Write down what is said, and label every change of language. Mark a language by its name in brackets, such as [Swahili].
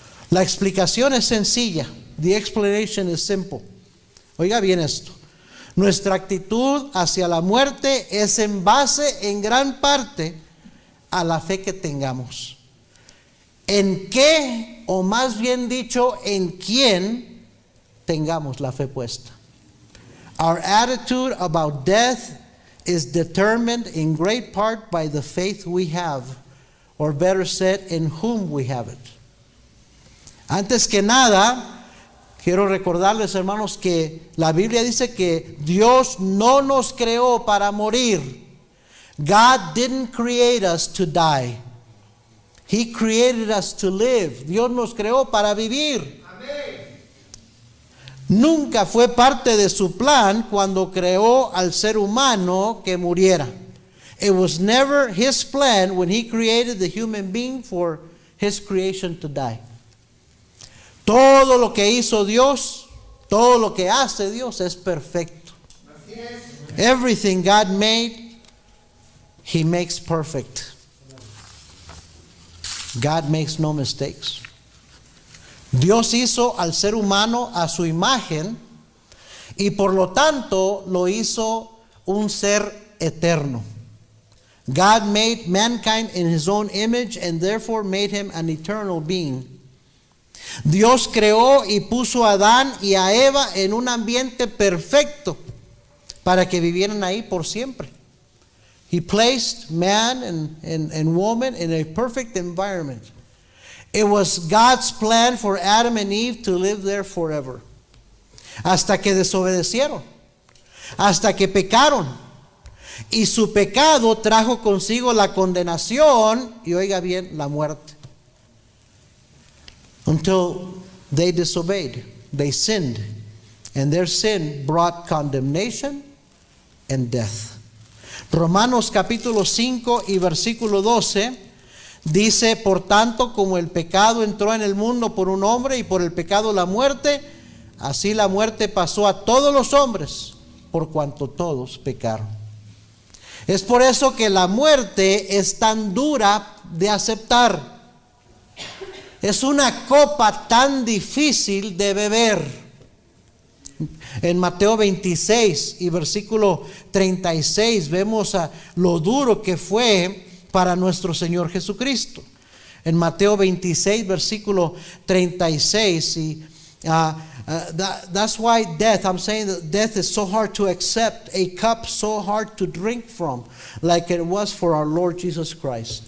[Spanish] La explicación es sencilla. [English] The explanation is simple. [Spanish] Oiga bien esto. Nuestra actitud hacia la muerte es en base en gran parte a la fe que tengamos. ¿En qué, o más bien dicho, en quién tengamos la fe puesta? [English] Our attitude about death is determined in great part by the faith we have, or better said, in whom we have it. [Spanish] Antes que nada, quiero recordarles, hermanos, que la Biblia dice que Dios no nos creó para morir. [English] God didn't create us to die. He created us to live. [Spanish] Dios nos creó para vivir. Nunca fue parte de su plan cuando creó al ser humano que muriera. [English] It was never his plan when he created the human being for his creation to die. [Spanish] Todo lo que hizo Dios, todo lo que hace Dios es perfecto. [English] Everything God made, he makes perfect. God makes no mistakes. [Spanish] Dios hizo al ser humano a su imagen y por lo tanto lo hizo un ser eterno. [English] God made mankind in his own image and therefore made him an eternal being. [Spanish] Dios creó y puso a Adán y a Eva en un ambiente perfecto para que vivieran ahí por siempre. [English] He placed man and woman in a perfect environment. It was God's plan for Adam and Eve to live there forever. [Spanish] Hasta que desobedecieron. Hasta que pecaron. Y su pecado trajo consigo la condenación y, oiga bien, la muerte. [English] Until they disobeyed, they sinned. And their sin brought condemnation and death. [Spanish] Romanos capítulo 5 y versículo 12 dice: por tanto, como el pecado entró en el mundo por un hombre y por el pecado la muerte, así la muerte pasó a todos los hombres, por cuanto todos pecaron. Es por eso que la muerte es tan dura de aceptar. Es una copa tan difícil de beber. En Mateo 26 y versículo 36 vemos a lo duro que fue para nuestro Señor Jesucristo. En Mateo 26, versículo 36, y [English] That's why death, I'm saying that death is so hard to accept, a cup so hard to drink from, like it was for our Lord Jesus Christ.